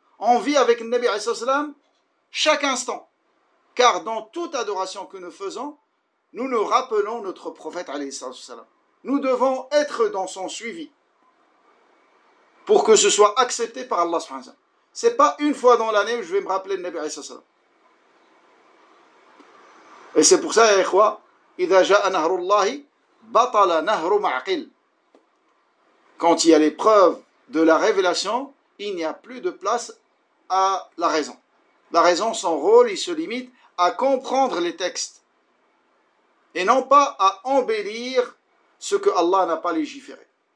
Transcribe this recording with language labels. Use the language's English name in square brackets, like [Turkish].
[French] On vit avec le Nabi alayhi sallam chaque instant. Car dans toute adoration que nous faisons, nous nous rappelons notre prophète alayhi sallam. Nous devons être dans son suivi pour que ce soit accepté par Allah subhanahu wa ta'ala. Ce n'est pas une fois dans l'année où je vais me rappeler le Nabi alayhi sallam. Et c'est pour ça, ya ikhwa, [Arabic] إذا جاء نهر الله بطل نهر معقل. [French] Quand il y a les preuves de la révélation, il n'y a plus de place à la raison. La raison, son rôle, il se limite à comprendre les textes et non pas à embellir ce que Allah n'a pas légiféré.